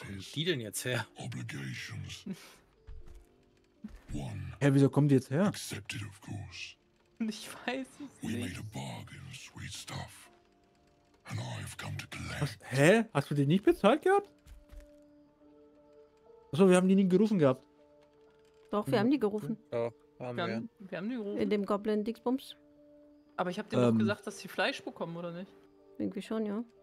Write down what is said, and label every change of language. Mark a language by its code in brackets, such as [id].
[de] Wo kommen die denn jetzt her? [en] Obligations. [de] Hä, wieso kommen die jetzt her? [en] Accepted, of course. [de] Ich weiß es nicht. [en] We made a bargain, sweet stuff. And I've come to collect. [de] Was? Hä? Hast du die nicht bezahlt gehabt? Achso, wir haben die nie gerufen gehabt. Doch, wir haben die gerufen. Ja, haben wir. Wir haben die gerufen. In dem Goblin-Dixbums. Aber ich habe dir doch gesagt, dass sie Fleisch bekommen, oder nicht? Irgendwie schon, ja.